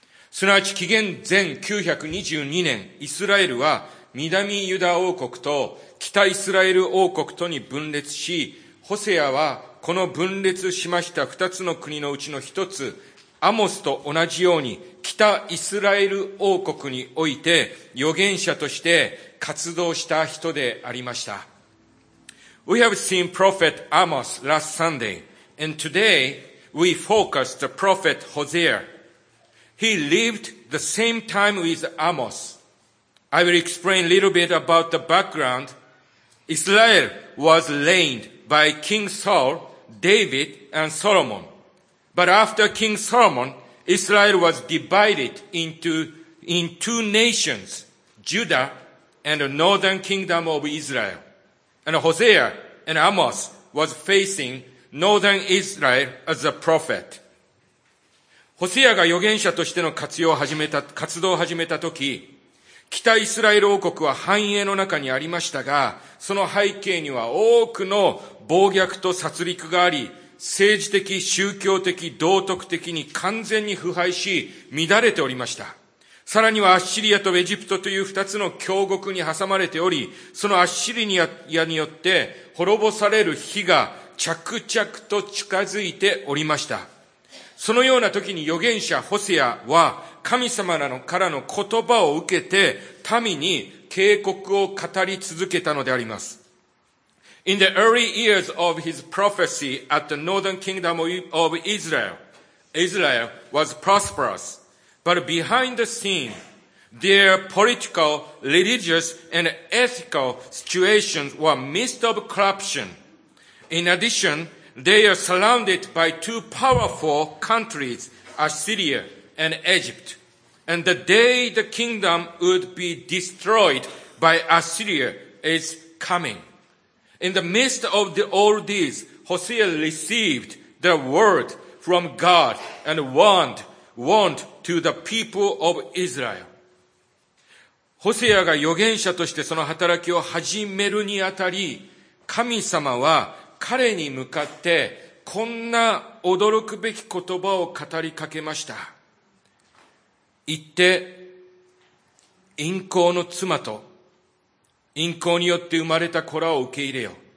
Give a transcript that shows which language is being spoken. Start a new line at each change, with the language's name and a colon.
Japanese: すなわち紀元前922年、イスラエルは南ユダ王国と北イスラエル王国とに分裂し、ホセアはこの分裂しました二つの国のうちの一つ、アモスと同じように北イスラエル王国において預言者として活動した人でありました。
English: We have seen Prophet Amos last Sunday, and today we focus the Prophet Hosea. He lived the same time with Amos. I will explain a little bit about the background. Israel was reigned by King Saul, David, and Solomon. But after King Solomon, Israel was divided in two nations, Judah and the northern kingdom of Israel. And Hosea and Amos was facing northern Israel as a prophet.
Japanese: ホセアが預言者としての活動を始めたとき、北イスラエル王国は繁栄の中にありましたが、その背景には多くの暴虐と殺戮があり、政治的、宗教的、道徳的に完全に腐敗し、乱れておりました。さらにはアッシリアとエジプトという二つの強国に挟まれており、そのアッシリアによって滅ぼされる日が着々と近づいておりました。そのような時に預言者ホセアは神様からの言葉を受けて民に警告を語り続けたのであります。
English: In the early years of his prophecy at the northern kingdom of Israel, Israel was prosperous. But behind the scene, their political, religious, and ethical situations were mixed of corruption. In addition,They are surrounded by two powerful countries, Assyria and Egypt. And the day the kingdom would be destroyed by Assyria is coming. In the midst of all this, Hosea received the word from God and warned to the people of Israel.
Japanese: ホセアが預言者としてその働きを始めるにあたり、神様は彼に向かってこんな驚くべき言葉を語りかけました。言って、淫行の妻と淫行によって生まれた子らを受け入れよ。